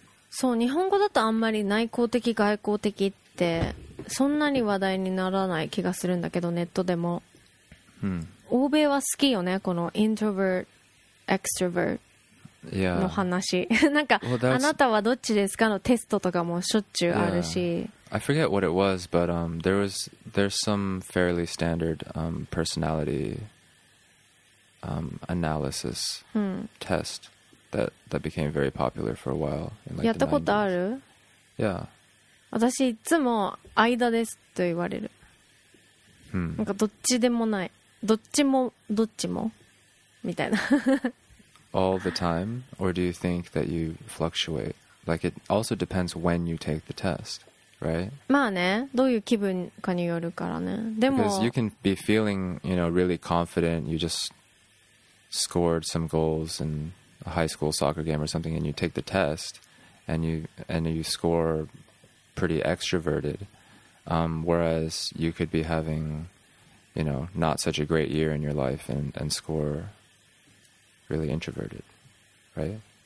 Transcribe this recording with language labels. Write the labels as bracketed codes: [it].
[ja] そう、日本語だとあんまり内向的外向的ってそんなに話題にならない気がするんだけど、ネットでも、欧米は好きよね、このintrovert extrovert の話、なんか、 [en] well, [ja] あなたはどっちですかのテストとかもしょっちゅうあるし、 [en] I forget what it was, but there's some fairly standard personality analysis test、that became very popular for a while in like [ja] やったことある [en] Yeah. [ja] 私いつも間ですと言われる、なんかどっちでもない、どっちもどっちもみたいな [en] All the time? Or do you think that you fluctuate? Like it also depends when you take the test, right? [ja] まあね、どういう気分かによるからね。でも [en] Because you can be feeling, you know, really confident, you just scored some goals anda high school soccer game or something, and you take the test and you score pretty extroverted, whereas you could be having, you know, not such a great year in your life and score really introverted, right?